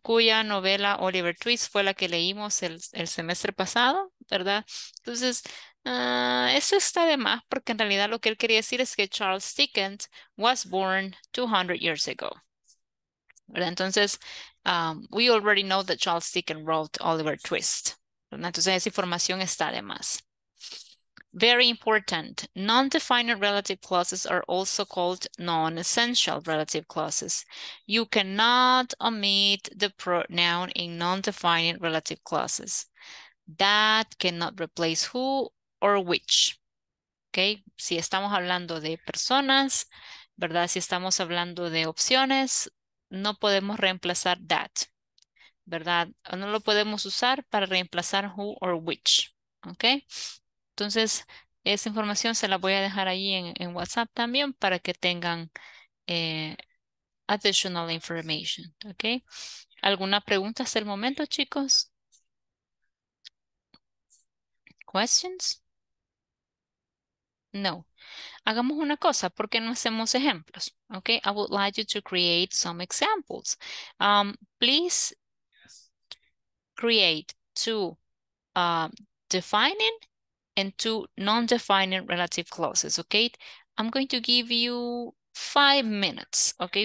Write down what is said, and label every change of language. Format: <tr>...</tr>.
<es>Cuya novela Oliver Twist fue la que leímos el semestre pasado, ¿verdad? Entonces, eso está de más porque en realidad lo que él quería decir es que Charles Dickens</es> <en>was born 200 years ago.</en> <es>¿Verdad?</es> <en>Entonces, we already know that Charles Dickens wrote Oliver Twist.</en> <es>¿Verdad? Entonces, esa información está de más.</es> <en>Very important. Non-defining relative clauses are also called non-essential relative clauses. You cannot omit the pronoun in non-defining relative clauses. That cannot replace who or which. Okay?</en> <es>Si estamos hablando de personas, ¿verdad? Si estamos hablando de opciones, no podemos reemplazar that, ¿verdad? No lo podemos usar para reemplazar who or which, ¿ok? Entonces, esa información se la voy a dejar ahí en WhatsApp también para que tengan</es> <en>additional information,</en> <es>¿ok? ¿Alguna pregunta hasta el momento, chicos?</es> <en>¿Questions? No.</en> <es>Hagamos una cosa, ¿por qué no hacemos ejemplos?</es> <en>Ok, I would like you to create some examples. Please create two defining and two non-defining relative clauses, ok? I'm going to give you 5 minutes, ok?</en>